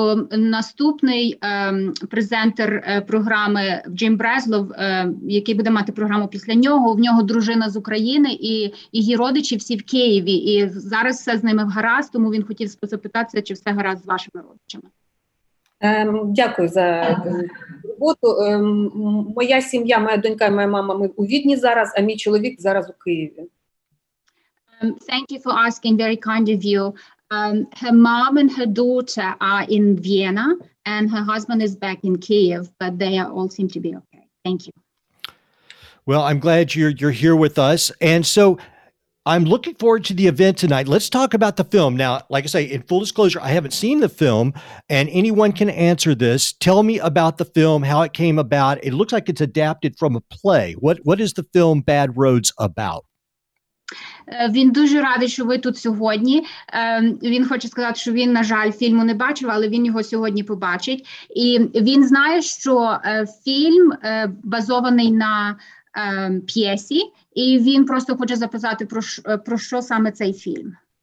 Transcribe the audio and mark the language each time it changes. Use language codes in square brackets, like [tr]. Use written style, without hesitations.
[uk] Наступний презентер програми Джим Брезлов, який буде мати програму після нього, в нього дружина з України, і її родичі всі в Києві, і зараз все з ними гаразд, тому він хотів запитатися, чи все гаразд з вашими родичами. Дякую за роботу. Моя сім'я, моя донька і моя мама, ми у Відні зараз, а мій чоловік зараз у Києві. [en] Thank you for asking, very kind of you. Her mom and her daughter are in Vienna, and her husband is back in Kyiv, but they all seem to be okay. Thank you. Well, I'm glad you're here with us. And so I'm looking forward to the event tonight. Let's talk about the film. Now, like I say, in full disclosure, I haven't seen the film, and anyone can answer this. Tell me about the film, how it came about. It looks like it's adapted from a play. What is the film Bad Roads about? [uk] Він дуже радий, що ви тут сьогодні. Він хоче сказати, що він, на жаль, фільму не бачив, але він його сьогодні побачить. І він знає, що фільм базований на п'єсі, і він просто хоче запитати про що саме цей фільм.